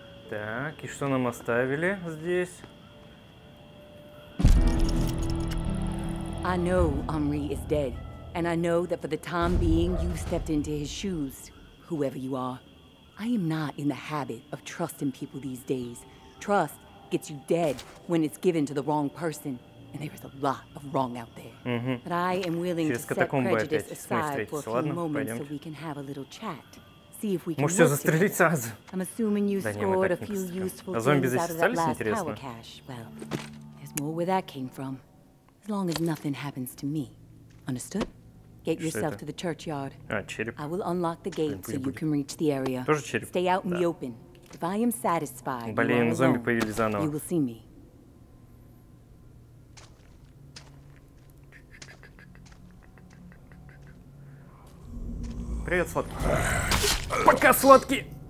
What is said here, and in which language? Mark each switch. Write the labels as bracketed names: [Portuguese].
[Russian] Так, и что нам оставили здесь? [English] I know Omri is dead, and I know that for the time being you stepped into his shoes, whoever you are. I am not in the habit of trusting people these days. Trust gets you dead when it's given to the wrong person, and there is a lot of wrong out there. But I am willing to set prejudice aside for a few moments so we can have a little chat. [Russian] Может, все застрелить сразу? [English] I'm assuming you scored a few useful things out of that last power cache. Well, there's more where that came from. As long as nothing happens to me, understood? Get yourself to the churchyard. I will unlock the gate so you can reach the area. Stay out in the open. If I am satisfied, [Russian] блин, зомби появились заново. [English] You will see me. [Russian] Привет, сладкий. Пока, сладкий!